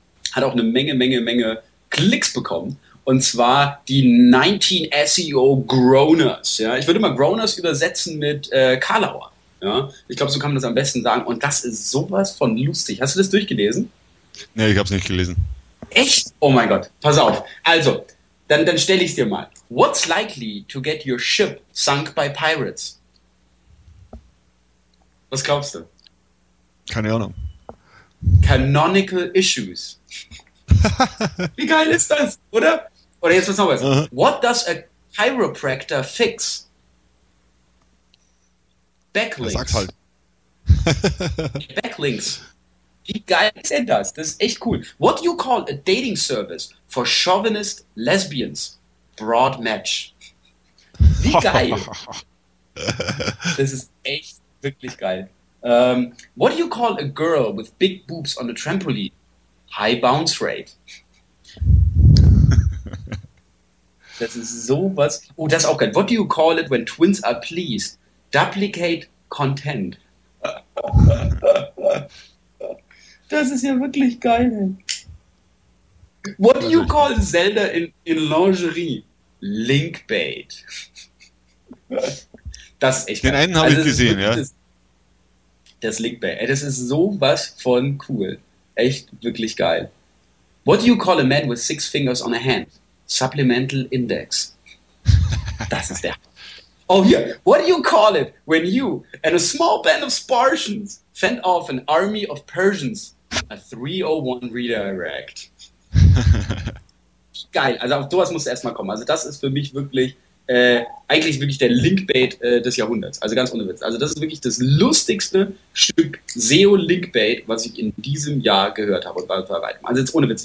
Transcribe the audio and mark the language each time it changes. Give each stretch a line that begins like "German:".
German: Hat auch eine Menge Klicks bekommen. Und zwar die 19 SEO Groaners. Ja? Ich würde mal Groaners übersetzen mit Karlauer. Ja? Ich glaube, so kann man das am besten sagen. Und das ist sowas von lustig. Hast du das durchgelesen? Nee, ich habe es nicht gelesen. Echt? Oh mein Gott, pass auf. Also, dann stelle ich es dir mal.
English: What's likely to get your ship sunk by pirates?
German: Was glaubst du? Keine Ahnung.
English: Canonical issues.
German: Wie geil ist das, oder? Oder jetzt was noch was. Uh-huh.
English: What does a chiropractor fix? Backlinks.
German: Sag's halt. Backlinks. Wie geil ist denn das? Das ist echt cool.
English: What do you call a dating service for chauvinist lesbians? Broad match.
German: Wie geil. Das ist echt wirklich geil.
English: What do you call a girl with big boobs on a trampoline? High bounce rate.
German: Das ist sowas. Oh, das ist auch geil.
English: What do you call it when twins are pleased? Duplicate content.
German: Das ist ja wirklich geil.
English: What do you call Zelda in Lingerie? Linkbait.
German: Das ist echt geil. Den einen habe ich gesehen, ja. Das Linkbait. Ey, das ist sowas von cool. Echt wirklich geil.
English: What do you call a man with six fingers on a hand? Supplemental index.
German: Das ist der. Oh, hier.
English: What do you call it when you and a small band of Spartans fend off an army of Persians? A 301 redirect.
German: Geil. Also auf sowas muss erstmal kommen. Also das ist für mich wirklich, eigentlich wirklich der Linkbait des Jahrhunderts. Also ganz ohne Witz. Also das ist wirklich das lustigste Stück SEO-Linkbait, was ich in diesem Jahr gehört habe und bei weitem. Also jetzt ohne Witz.